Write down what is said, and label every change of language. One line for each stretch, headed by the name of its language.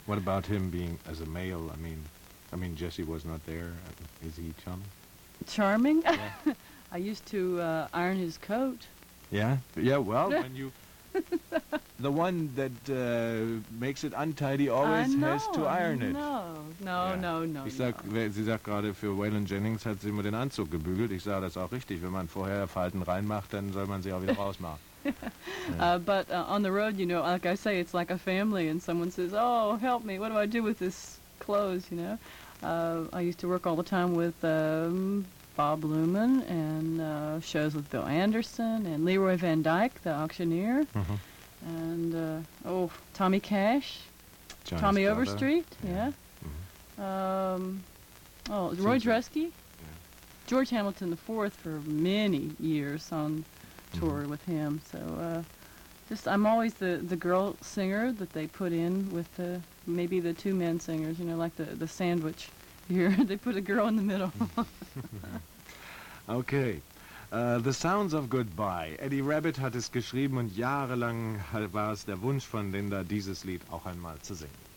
English: What about him being as a male? I mean, Jessie was not there. Is he charming? Charming? Yeah. I used to iron his coat. Yeah? Yeah, well, when you... the one that makes it untidy always has to iron it. No.
German: Ich sag, sie sagt gerade, für Waylon Jennings hat sie immer den Anzug gebügelt. Ich sah das auch richtig. Wenn man vorher Falten reinmacht, dann soll man sie auch wieder rausmachen.
English: Yeah. But on the road, you know, like I say, it's like a family, and someone says, oh, help me, what do I do with this clothes, you know? I used to work all the time with... Bob Luman and shows with Bill Anderson and Leroy Van Dyke, the auctioneer, mm-hmm. and Tommy Cash, Johnny's Tommy brother. Overstreet, yeah. Mm-hmm. Roy Dresky, yeah. George Hamilton IV for many years on tour mm-hmm. with him. So I'm always the girl singer that they put in with the maybe the two men singers, you know, like the sandwich. Here, they put a girl in the middle. Okay, The Sounds of Goodbye.
German: Eddie Rabbit hat es geschrieben und jahrelang war es der Wunsch von Linda, dieses Lied auch einmal zu singen.